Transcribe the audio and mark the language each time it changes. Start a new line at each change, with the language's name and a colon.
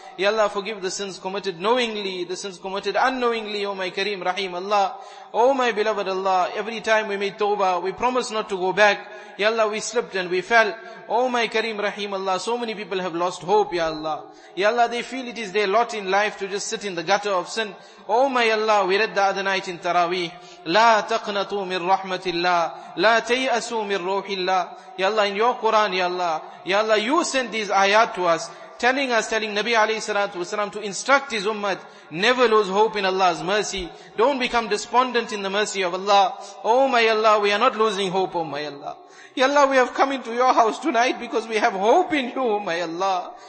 English: Ya Allah, forgive the sins committed knowingly, the sins committed unknowingly, oh my Kareem Rahim Allah. Oh my beloved Allah, every time we made tawbah, we promised not to go back. Ya Allah, we slipped and we fell. Oh my Kareem Rahim Allah, so many people have lost hope, Ya Allah. Ya Allah, they feel it is their lot in life to just sit in the gutter of sin. Oh my Allah, we read the other night in Taraweeh.
Arabic: لا تقنطوا من رحمة الله لا تيأسوا من روح الله.
English: Ya Allah, in your Quran, Ya Allah, you send these ayat to us, telling Nabi alayhi salatu wasalam to instruct his ummah, never lose hope in Allah's mercy. Don't become despondent in the mercy of Allah. Oh my Allah, we are not losing hope, oh my Allah. Ya Allah, we have come into your house tonight because we have hope in you, oh my Allah.